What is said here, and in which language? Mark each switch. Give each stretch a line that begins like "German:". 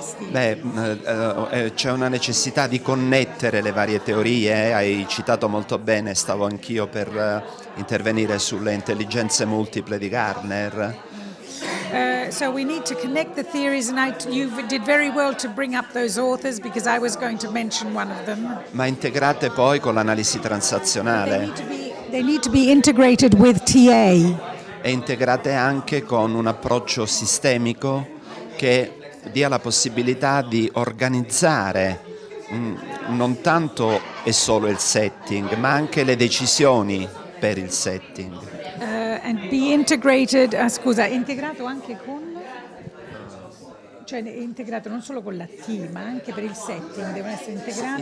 Italian: Beh, c'è una necessità di connettere le varie teorie, hai citato molto bene, stavo anch'io per intervenire sulle intelligenze multiple di Gardner.
English: So we need to connect the theories, and you did very well to bring up those authors, because I was going to mention one of them.
Italian: Ma integrate poi con l'analisi transazionale.
English: They need to be integrated with TA.
Italian: E integrate anche con un approccio sistemico che dia la possibilità di organizzare non tanto e solo il setting, ma anche le decisioni per il setting.
English: And be integrated,
Italian: scusa, integrato anche con, cioè integrato non solo con la T, ma anche per il setting, devono essere integrate.